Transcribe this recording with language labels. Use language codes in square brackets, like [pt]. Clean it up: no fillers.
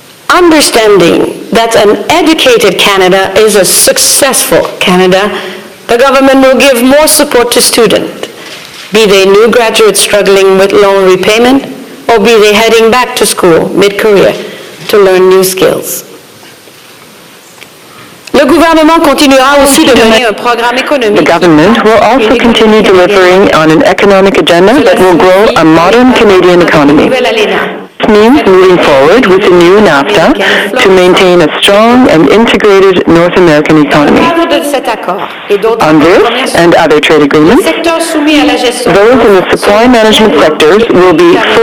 [en] Understanding that an educated Canada is a successful Canada The government will give more support to students, be they new graduates struggling with loan repayment, or be they heading back to school mid-career to learn new skills. [fr] Le gouvernement continuera aussi de mener un programme économique. [en] The government will also continue delivering on an economic agenda that will grow a modern Canadian economy. This means moving forward with the new NAFTA to maintain a strong and integrated North American economy. On this and other trade agreements, those in the supply management sectors will be...